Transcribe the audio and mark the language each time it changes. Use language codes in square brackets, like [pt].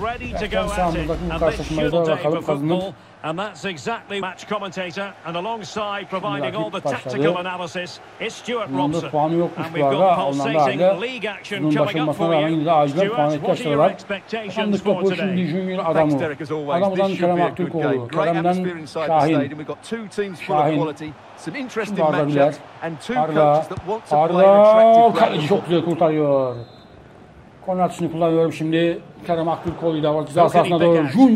[tr] Evet, kendi sahamızdaki bu karşılaşmayı da bakalım kazanıp. [en] And that's exactly match commentator and alongside providing all the tactical analysis is Stuart Robson. And we've got pulsating league action coming up for you. Stuart, what are your expectations for today? Thanks Derek, as always. This should be a good game. Great atmosphere inside the stadium. We've got two teams full of quality. Some interesting matches and two coaches that want to play an attractive game. [tr] Çok güzel kurtarıyor. Konrad şunu kullanıyorum şimdi. Kerem Aktürkoğlu da var. Güzel sahasına doğru.